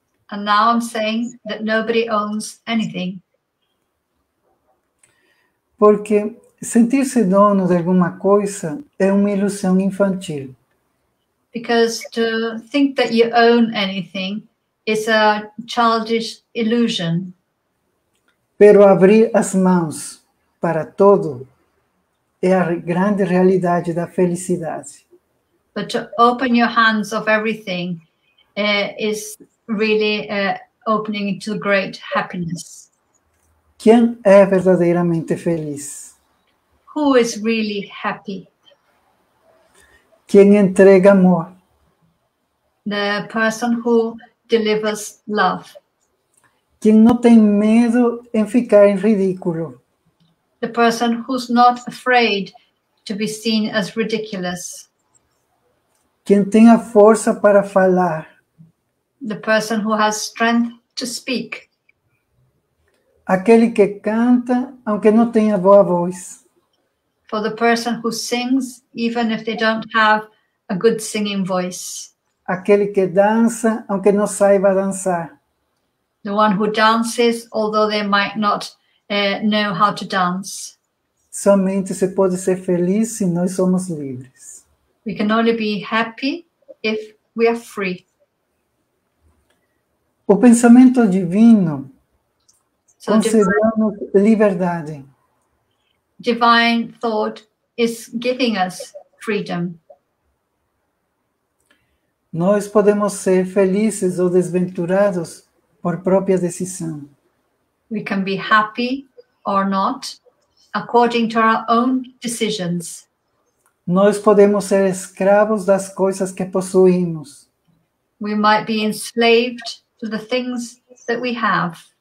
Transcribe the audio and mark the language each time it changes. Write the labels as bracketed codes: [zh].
[en] And now I'm saying that nobody owns anything. [pt] Porque sentir-se dono de alguma coisa é uma ilusão infantil. [en] Because to think that you own anything is a childish illusion. [pt] Pero abrir as mãos para todo é a grande realidade da felicidade. [en] But to open your hands of everything is really opening to great happiness. [pt] Quem é verdadeiramente feliz? [en] Who is really happy? [pt] Quem entrega amor? [en] The person who delivers love. [pt] Quem não tem medo em ficar em ridículo? [en] The person who's not afraid to be seen as ridiculous. [pt] Quem tem a força para falar? [en] The person who has strength to speak. [pt] Aquele que canta, aunque não tenha boa voz. [en] For the person who sings, even if they don't have a good singing voice. [pt] Aquele que dança, aunque não saiba dançar. [en] The one who dances, although they might not know how to dance. [pt] Somente se pode ser feliz se nós somos livres. [en] We can only be happy if we are free. [pt] O pensamento divino concedeu-nos liberdade. [en] Divine thought is giving us freedom. [pt] Nós podemos ser felizes ou desventurados por própria decisão. [en] We can be happy or not according to our own decisions. [pt] Nós podemos ser escravos das coisas que possuímos. [en] We might be enslaved to the things that we have.